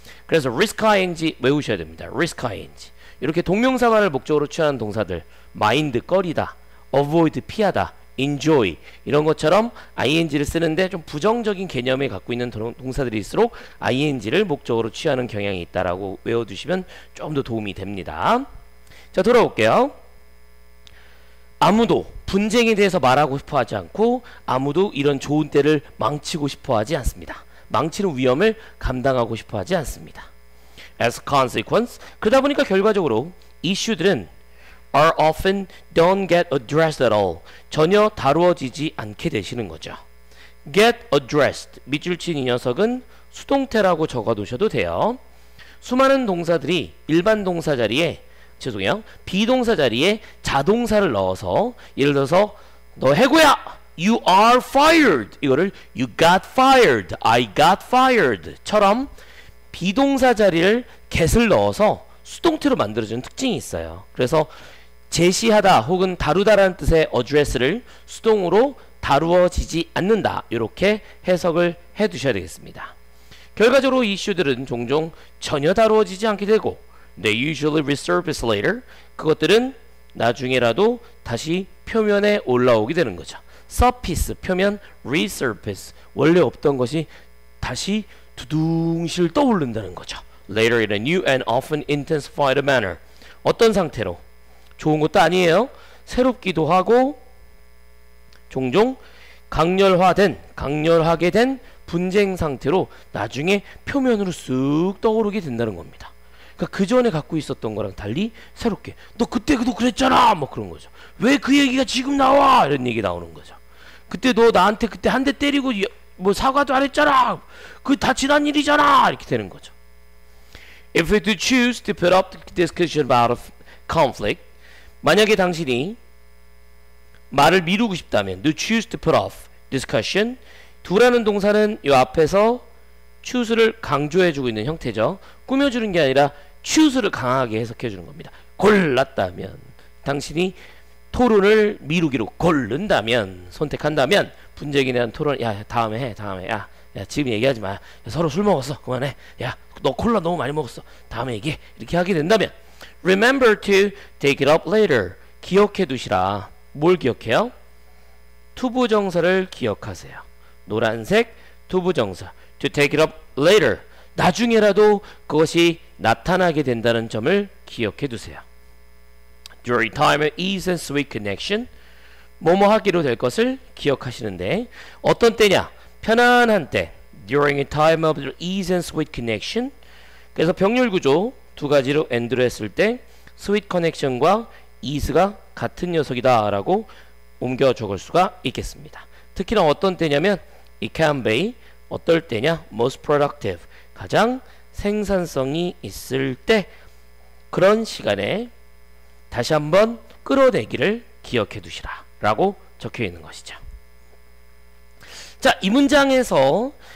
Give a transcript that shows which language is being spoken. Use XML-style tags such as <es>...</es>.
<ko>그래서 risk ing 외우셔야 됩니다. risk ing 이렇게 동명사만을 목적으로 취하는 동사들 mind 꺼리다, avoid 피하다, enjoy 이런 것처럼 ing를 쓰는데 좀 부정적인 개념을 갖고 있는 동사들일수록 ing를 목적으로 취하는 경향이 있다라고 외워두시면 좀 더 도움이 됩니다. 자 돌아올게요. 아무도 분쟁에 대해서 말하고 싶어 하지 않고 아무도 이런 좋은 때를 망치고 싶어 하지 않습니다. 망치는 위험을 감당하고 싶어 하지 않습니다.</ko> <en>As a consequence,</en> <ko>그러다 보니까 결과적으로 이슈들은</ko> <en>are often don't get addressed at all.</en> <ko>전혀 다루어지지 않게 되시는 거죠. Get addressed, 밑줄 친 이 녀석은 수동태라고 적어두셔도 돼요. 수많은 동사들이 일반 동사 자리에 죄송해요. 비동사 자리에 자동사를 넣어서 예를 들어서 너 해고야!</ko> <en>You are fired! 이거를 You got fired! I got fired!</en> <ko>처럼 비동사 자리를 get을 넣어서 수동태로 만들어주는 특징이 있어요. 그래서 제시하다 혹은 다루다라는 뜻의 address를 수동으로 다루어지지 않는다 이렇게 해석을 해두셔야 되겠습니다. 결과적으로 이슈들은 종종 전혀 다루어지지 않게 되고</ko> <en>They usually resurface later.</en> <ko>그것들은 나중에라도 다시 표면에 올라오게 되는 거죠.</ko> <en>Surface, 표면, resurface.</en> <ko>원래 없던 것이 다시 두둥실 떠오른다는 거죠.</ko> <en>Later in a new and often intensified manner.</en> <ko>어떤 상태로? 좋은 것도 아니에요. 새롭기도 하고 종종 강렬하게 된 분쟁 상태로 나중에 표면으로 쑥 떠오르게 된다는 겁니다. 그 전에 갖고 있었던 거랑 달리 새롭게 너 그때 그도 그랬잖아 뭐 그런 거죠. 왜 그 얘기가 지금 나와 이런 얘기 나오는 거죠. 그때 너 나한테 그때 한 대 때리고 뭐 사과도 안 했잖아. 그 다 지난 일이잖아 이렇게 되는 거죠.</ko> <en>If you choose to put up the discussion about conflict,</en> <ko>만약에 당신이 말을 미루고 싶다면</ko> <en>you choose to put off discussion.</en> <ko>두라는 동사는 이 앞에서 choose를 강조해주고 있는 형태죠. 꾸며주는 게 아니라 choose를 강하게 해석해주는 겁니다. 골랐다면 당신이 토론을 미루기로 고른다면 선택한다면 분쟁에 대한 토론 야 다음에 해 다음에 야, 야 지금 얘기하지 마 야, 서로 술 먹었어 그만해 야 너 콜라 너무 많이 먹었어 다음에 얘기해 이렇게 하게 된다면</ko> <en>remember to take it up later</en> <ko>기억해 두시라 뭘 기억해요? 투부정사를 기억하세요 노란색 투부정사</ko> <en>To take it up later.</en> <ko>나중에라도 그것이 나타나게 된다는 점을 기억해 두세요.</ko> <en>During time of ease and sweet connection.</en> <ko>뭐뭐 하기로 될 것을 기억하시는데 어떤 때냐? 편안한 때.</ko> <en>During a time of ease and sweet connection.</en> <ko>그래서 병렬 구조 두 가지로 end로 했을 때 sweet connection과 ease가 같은 녀석이다 라고 옮겨 적을 수가 있겠습니다. 특히나 어떤 때냐면</ko> <en>it can be</en> <ko>어떨 때냐?</ko> <en>Most productive.</en> <ko>가장 생산성이 있을 때 그런 시간에 다시 한번 끌어내기를 기억해 두시라 라고 적혀 있는 것이죠. 자, 이 문장에서</ko>